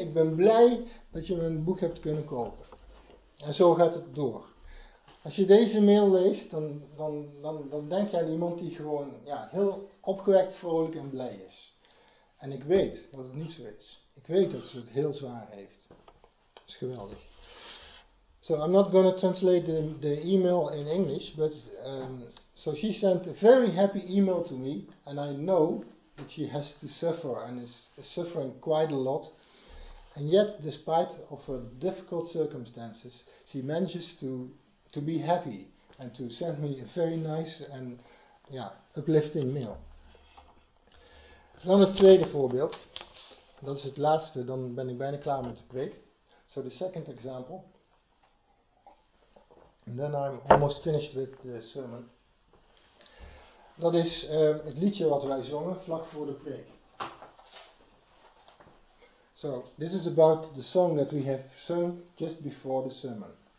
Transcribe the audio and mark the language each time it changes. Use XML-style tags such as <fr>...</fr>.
<nl>Ik ben blij dat je mijn boek hebt kunnen kopen. En zo gaat het door. Als je deze mail leest, dan denk je aan iemand die gewoon ja, heel opgewekt, vrolijk en blij is. En ik weet dat het niet zo is. Ik weet dat ze het heel zwaar heeft. Dat is geweldig.</nl> <en>So I'm not going to translate the email in English, but so she sent a very happy email to me, and I know that she has to suffer and is suffering quite a lot. And yet, despite of her difficult circumstances, she manages to be happy and to send me a very nice and uplifting mail.</en> <nl>Dan het tweede voorbeeld. Dat is het laatste, dan ben ik bijna klaar met de preek.</nl> <en>So the second example. And then I'm almost finished with the sermon.</en> <nl>Dat is het liedje wat wij zongen vlak voor de preek.</nl> <en>So, this is about the song that we have sung just before the sermon.</en>